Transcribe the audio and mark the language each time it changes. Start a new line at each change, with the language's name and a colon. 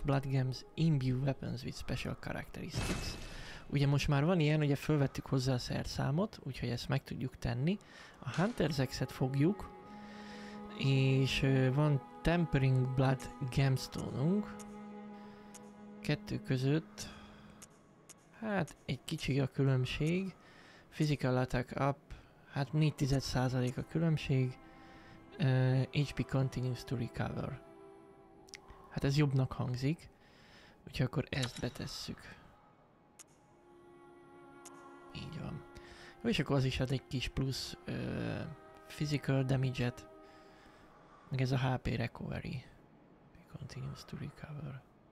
English: Blood gems imbue weapons with special characteristics.
Hungarian: Ugye most már van ilyen, ugye felvettük hozzá a szerszámot, úgyhogy ezt meg tudjuk tenni. A Hunter's Axe-et fogjuk. És van Tempering Blood Gemstone-unk. Kettő között. Hát egy kicsi a különbség. Physical Attack Up. Hát 4% a különbség.
English: HP continues to recover.
Hungarian: Hát ez jobbnak hangzik. Úgyhogy akkor ezt betesszük. Így van. Jó, és akkor az is ad egy kis plusz physical damage-et. Meg ez a
English: HP recovery. Continues to recover.